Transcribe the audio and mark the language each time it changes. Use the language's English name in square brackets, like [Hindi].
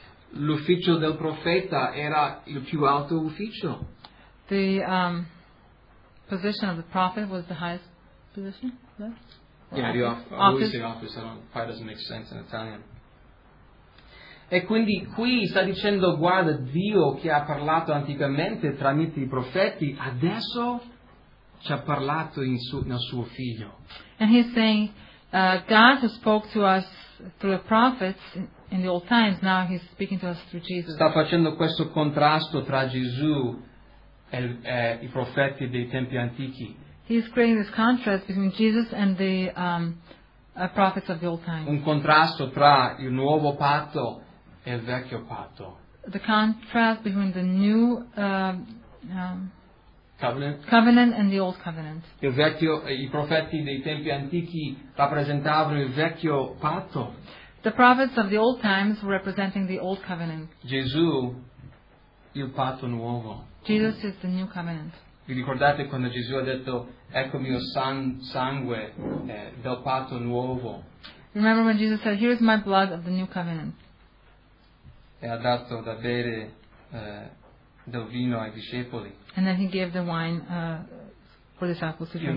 [Italian] L'ufficio del profeta era il più alto ufficio. [English] The position of the prophet was the highest position. Yeah, the office. I don't, probably doesn't make sense in Italian. [Italian] E quindi qui sta dicendo, guarda, Dio che ha parlato anticamente tramite i profeti, adesso ci ha parlato nel suo figlio. [English] And he's saying, God who spoke to us through the prophets in the old times, now he's speaking to us through Jesus. [Italian] Sta facendo questo contrasto tra Gesù e i profeti dei tempi antichi. [English] He's creating this contrast between Jesus and the prophets of the old times. [Italian] Un contrasto tra il nuovo patto e il vecchio patto. [English] The contrast between the new covenant and the old covenant. [Italian] Il vecchio, i profeti dei tempi antichi rappresentavano il vecchio patto. [English] The prophets of the old times were representing the old covenant. [Italian] Gesù, il patto nuovo. [English] Jesus is the new covenant. [Italian] Vi ricordate quando Gesù ha detto, ecco mio sangue del patto nuovo? [English] Remember when Jesus said, here is my blood of the new covenant. [Italian] E ha dato da bere del vino ai discepoli. [English] And then he gave the wine for the disciples to drink.